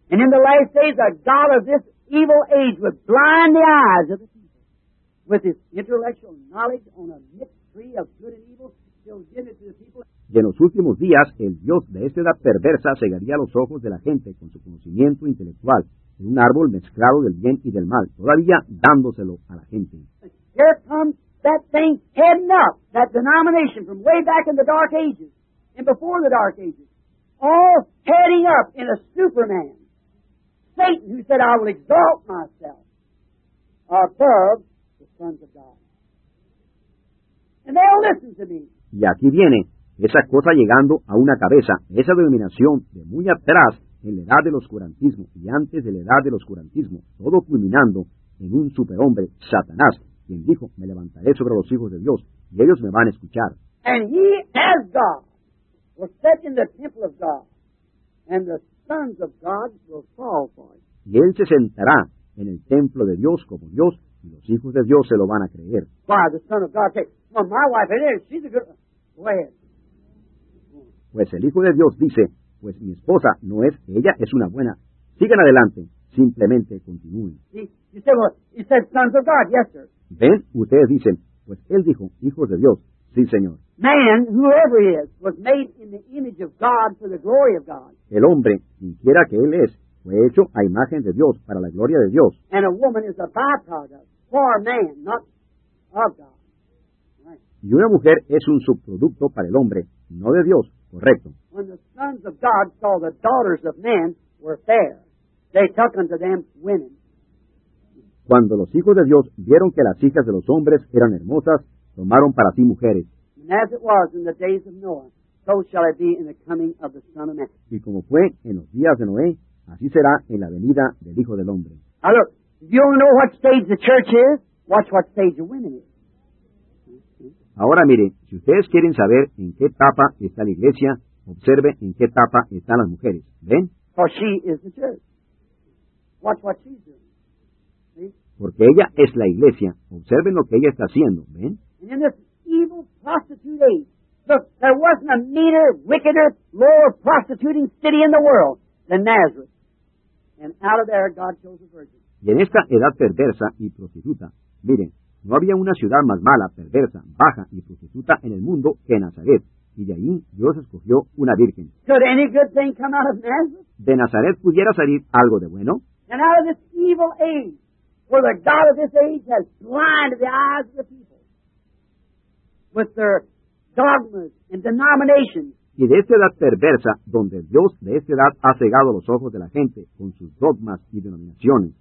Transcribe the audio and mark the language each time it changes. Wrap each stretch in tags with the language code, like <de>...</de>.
<en>And in the last days, the God of this evil age would blind the eyes of the people with his intellectual knowledge on a mixed tree of good and evil, he'll give it to the people.</en> <es>Y en los últimos días, el Dios de esta edad perversa cegaría los ojos de la gente con su conocimiento intelectual en un árbol mezclado del bien y del mal, todavía dándoselo a la gente.</es> <en>Here comes that thing heading up, that denomination from way back in the dark ages and before the dark ages, all heading up in a Superman. Satan, who said, I will exalt myself above the sons of God. And they'll listen to me.</en> <es>Y aquí viene esa cosa llegando a una cabeza, esa denominación de muy atrás en la edad del oscurantismo y antes de la edad del oscurantismo, todo culminando en un superhombre, Satanás, quien dijo, me levantaré sobre los hijos de Dios y ellos me van a escuchar.</es> <en>And he is God. will set in the temple of God, and the sons of God will fall for it.</en> <es>Y él se sentará en el templo de Dios como Dios, y los hijos de Dios se lo van a creer.</es> <en>Why, the son of God said, well, my wife, it is, she's a good... Go ahead.</en> <es>Pues el Hijo de Dios dice, pues mi esposa no es, ella es una buena. Sigan adelante, simplemente continúen.</es> <en>He said, sons of God, yes, sir.</en> <es>Ven, ustedes dicen, pues él dijo, hijos de Dios, sí, señor.</es> <en>Man, whoever he is, was made in the image of God for the glory of God.</en> <es>El hombre, quiera que él es, fue hecho a imagen de Dios para la gloria de Dios.</es> <en>And a woman is a byproduct for man, not of God.</en> <es>Y una mujer es un subproducto para el hombre, no de Dios. Correcto.</es> <en>When the sons of God saw the daughters of men were fair, they took unto them women.</en> <es>Cuando los hijos de Dios vieron que las hijas de los hombres eran hermosas, tomaron para sí mujeres.</es> <en>And as it was in the days of Noah, so shall it be in the coming of the Son of Man.</en> <es>Y como fue en los días de Noé, así será en la venida del Hijo del Hombre.</es> <en>Now look, if you don't know what stage the church is, watch what stage the women is.</en> <es>Ahora mire, si ustedes quieren saber en qué etapa está la iglesia, observe en qué etapa están las mujeres. ¿Ven?</es> <en>For she is the church. Watch what she's doing.</en> <es>Porque ella es la iglesia. Observen lo que ella está haciendo. ¿Ven?</es> <en>And in this evil prostitute age, look, there wasn't a meaner, wickeder, lower prostituting city in the world than Nazareth. And out of there, God chose a virgin.</en> <es>Y en esta edad perversa y prostituta, miren, no había una ciudad más mala, perversa, baja y prostituta en el mundo que Nazaret. Y de allí Dios escogió una virgen.</es> <en>Could any good thing come out of Nazareth?</en> <es>¿De Nazaret pudiera salir algo de bueno?</es> <en>And out of this evil age, where the God of this age has blinded the eyes of the people with their dogmas and denominations.</en> <es>Y de esta edad perversa, donde Dios de esta edad ha cegado los ojos de la gente con sus dogmas y denominaciones.</es>